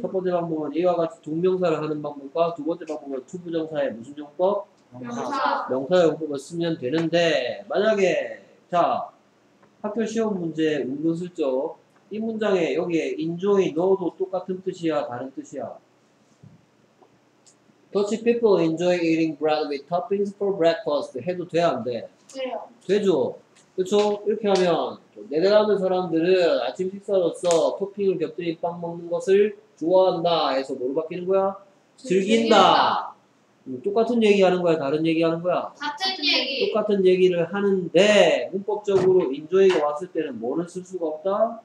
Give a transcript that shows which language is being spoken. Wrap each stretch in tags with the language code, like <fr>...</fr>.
<ko>첫 번째 방법은 이와 같이 동명사를 하는 방법과 두 번째 방법은 to 부정사의 무슨 용법? 명사. 명사 용법을 쓰면 되는데 만약에 자 학교 시험 문제 운동 쓸죠. 이 문장에 여기에 enjoy 넣어도 똑같은 뜻이야 다른 뜻이야?</ko> <en>Dutch people enjoy eating bread with toppings for breakfast</en> <ko>해도 돼 안 돼? 돼요. 되죠. 그쵸? 이렇게 하면 네덜란드 사람들은 아침 식사로서 토핑을 곁들인 빵 먹는 것을 좋아한다 해서 뭐로 바뀌는 거야? 즐긴다. 똑같은 얘기하는 거야? 다른 얘기하는 거야? 같은 얘기. 똑같은 얘기를 하는데 문법적으로 enjoy가 왔을 때는 뭐는 쓸 수가 없다?</ko>